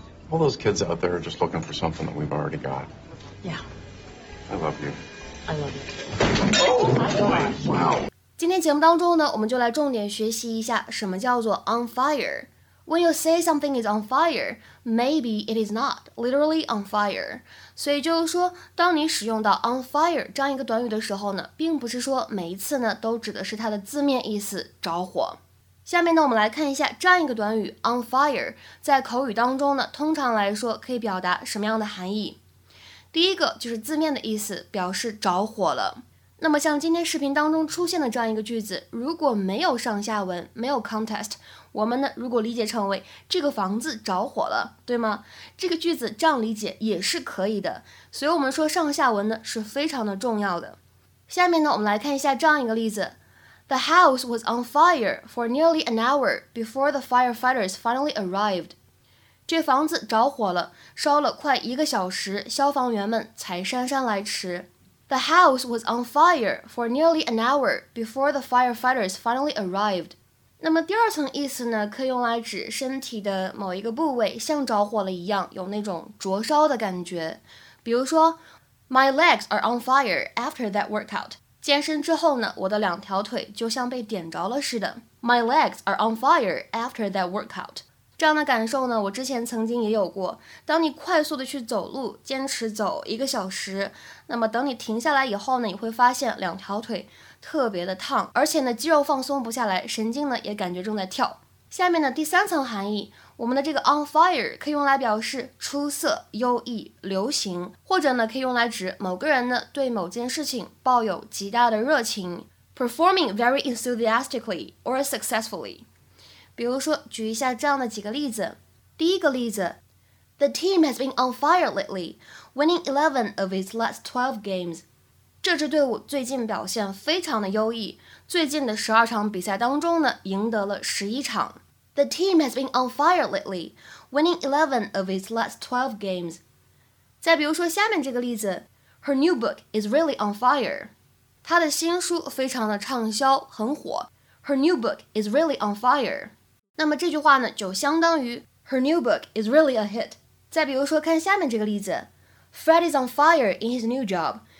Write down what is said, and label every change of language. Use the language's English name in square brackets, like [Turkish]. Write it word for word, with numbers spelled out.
[English] All those kids out there are just looking for something that we've already got. Yeah. I love you. I love you. Oh, my God. Wow. [Chinese] 今天节目当中呢，我们就来重点学习一下什么叫做 on fire. [English] When you say something is on fire, maybe it is not literally on fire. [Chinese] 所以就是说，当你使用到 on fire 这样一个短语的时候呢，并不是说每一次呢都指的是它的字面意思着火。下面呢，我们来看一下这样一个短语 on fire 在口语当中呢，通常来说可以表达什么样的含义。第一个就是字面的意思，表示着火了。那么像今天视频当中出现的这样一个句子，如果没有上下文，没有 context， 我们呢如果理解成为这个房子着火了，对吗？这个句子这样理解也是可以的。所以我们说上下文呢是非常的重要的。下面呢，我们来看一下这样一个例子。 [English] The house was on fire for nearly an hour before the firefighters finally arrived. [Chinese] 这房子着火了，烧了快一个小时，消防员们才姗姗来迟。 [English] The house was on fire for nearly an hour before the firefighters finally arrived. [Chinese] 那么第二层意思呢，可以用来指身体的某一个部位像着火了一样，有那种灼烧的感觉。比如说 [English] My legs are on fire after that workout. [Chinese] 健身之后呢，我的两条腿就像被点着了似的。 [English] My legs are on fire after that workout. [Chinese] 这样的感受呢，我之前曾经也有过。当你快速的去走路，坚持走一个小时，那么等你停下来以后呢，你会发现两条腿特别的烫，而且呢，肌肉放松不下来，神经呢也感觉正在跳。下面呢，第三层含义，我们的这个 on fire 可以用来表示出色、优异、流行，或者呢可以用来指某个人呢对某件事情抱有极大的热情 ， [English] performing very enthusiastically or successfully。 [Chinese] 比如说，举一下这样的几个例子。第一个例子 [English] ，The team has been on fire lately, winning eleven of its last twelve games。 [Chinese] 这支队伍最近表现非常的优异，最近的十二场比赛当中呢，赢得了十一场。 [English] The team has been on fire lately, winning eleven of its last twelve games. [Chinese] 再比如说下面这个例子 [English] ，Her new book is really on fire. [Chinese] 她的新书非常的畅销，很火。 [English] Her new book is really on fire. [Chinese] 那么这句话呢，就相当于 [English] Her new book is really a hit. [Chinese] 再比如说看下面这个例子 [English] ，Fred is on fire in his new job.